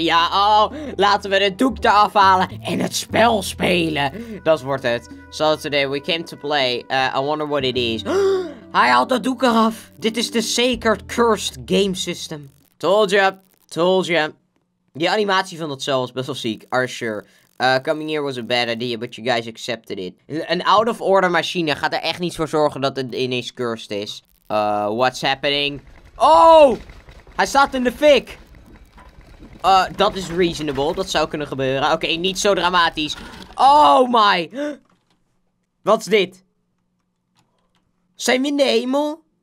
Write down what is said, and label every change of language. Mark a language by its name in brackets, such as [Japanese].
[Dutch] Ja, oh, laten we de doek eraf halen en het spel spelen. Dat wordt het. [English] So today we came to play. I wonder what it is. [Dutch] Hij haalt dat doek eraf. Dit is de Sacred Cursed Game System. [English] Told ya. Told ya. [Dutch] Die animatie van dat cel was best wel ziek. [English] Are you sure? Coming here was a bad idea, but you guys accepted it. [Dutch] Een out-of-order machine gaat er echt niet voor zorgen dat het ineens cursed is. [English] What's happening? [Dutch] Oh! Hij staat in de fik. Dat is reasonable. Dat zou kunnen gebeuren. Oké, okay, niet zo dramatisch. Oh my. Wat is dit? Zijn we in de hemel?